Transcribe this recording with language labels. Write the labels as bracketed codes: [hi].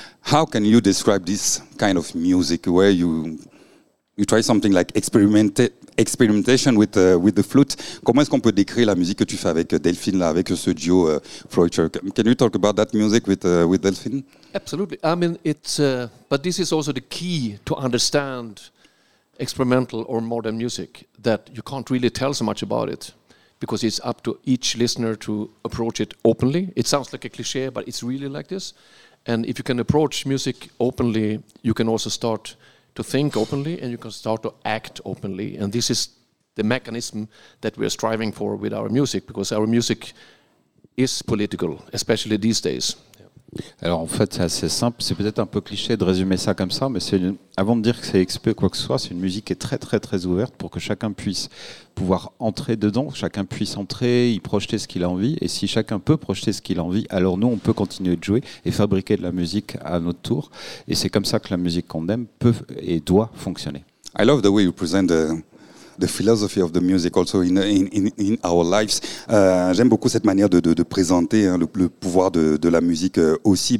[en] How can you describe this kind of music where you try something like experimentation with the flute? [fr] Comment est-ce qu'on peut décrire la musique que tu fais avec Delphine là, avec ce duo Flöjter? [en] Can you talk about that music with Delphine? Absolutely. I mean, it's but this is also the key to understand experimental or modern music, that you can't really tell so much about it because it's up to each listener to approach it openly. It sounds like a cliche, but it's really like this. And if you can approach music openly, you can also start to think openly and you can start to act openly. And this is the mechanism that we are striving for with our music, because our music is political, especially these days. [fr] Alors en fait c'est assez simple, c'est peut-être un peu cliché de résumer ça comme ça, mais avant de dire que c'est expé ou quoi que ce soit, c'est une musique qui est très très très ouverte pour que chacun puisse pouvoir entrer dedans, chacun puisse entrer, y projeter ce qu'il a envie, et si chacun peut projeter ce qu'il a envie, alors nous on peut continuer de jouer et fabriquer de la musique à notre tour, et c'est comme ça que la musique qu'on aime peut et doit fonctionner. [en] I love the way you present the philosophy of the music also in our lives. [fr] J'aime beaucoup cette manière de présenter hein, le pouvoir de la musique aussi.